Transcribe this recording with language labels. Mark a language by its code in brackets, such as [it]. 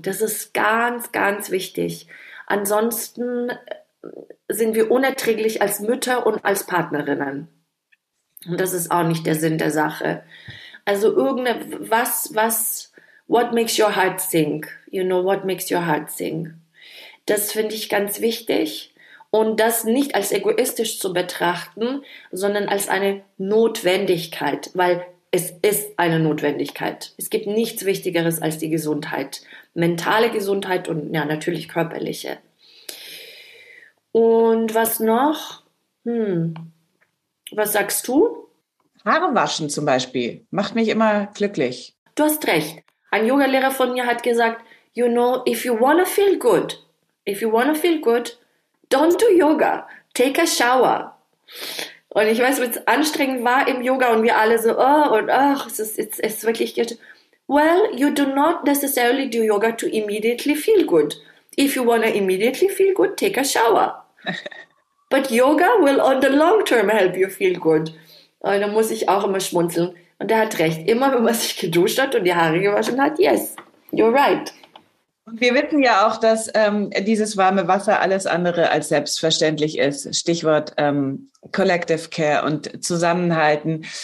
[de] Das ist ganz, ganz wichtig. Ansonsten sind wir unerträglich als Mütter und als Partnerinnen. Und das ist auch nicht der Sinn der Sache. Also irgendwas, [en] what makes your heart sing? You know, what makes your heart sing? [de] Das finde ich ganz wichtig. Und das nicht als egoistisch zu betrachten, sondern als eine Notwendigkeit, weil es ist eine Notwendigkeit. Es gibt nichts Wichtigeres als die Gesundheit, mentale Gesundheit und ja, natürlich körperliche. Und was noch? Was sagst du? Haare waschen zum Beispiel macht mich immer glücklich. Du hast recht. Ein Yoga-Lehrer von mir hat gesagt, [en] you know, if you wanna feel good, don't do yoga, take a shower. [de] Und ich weiß, wie es anstrengend war im Yoga und wir alle so, oh, und ach, oh, es ist wirklich good. [en] Well, you do not necessarily do yoga to immediately feel good. If you want to immediately feel good, take a shower. But yoga will on the long term help you feel good. [de] Und da muss ich auch immer schmunzeln. Und er hat recht, immer wenn man sich geduscht hat und die Haare gewaschen hat, [en] yes, you're right. [de] Wir wissen ja auch, dass dieses warme Wasser alles andere als selbstverständlich ist. Stichwort Collective Care und Zusammenhalten.